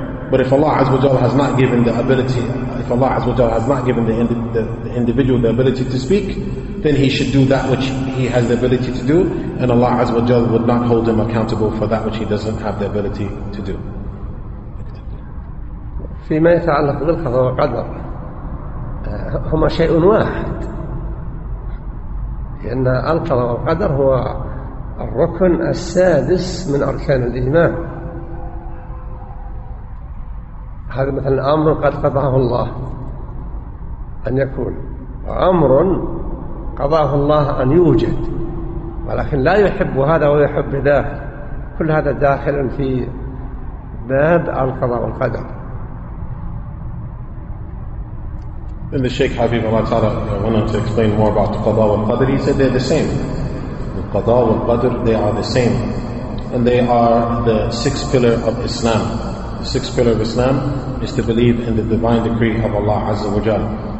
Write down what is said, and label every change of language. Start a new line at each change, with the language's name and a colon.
English: But if Allah Azza wa Jalla has not given the ability, if Allah Azza wa Jalla has not given the individual the ability to speak, then he should do that which he has the ability to do, and Allah Azza wa Jalla would not hold him accountable for that which he doesn't have the ability to do.
Arabic: فيما يتعلق بالقضاء والقدر هما شيء واحد، لأن القضاء والقدر هو الركن السادس من أركان الإيمان. هذا مثلا أمر قد قضاه الله أن يكون، وأمر قضاه الله أن يوجد، ولكن لا يحب هذا ويحب ذاك، كل هذا داخل في باب القضاء والقدر.
English: Then the Sheikh Habib Allah Ta'ala wanted to explain more about Qadha wa Qadr. He said they're the same. The Qadha wa Qadr, they are the same. And they are the six pillar of Islam. The six pillar of Islam is to believe in the divine decree of Allah Azza wa Jal.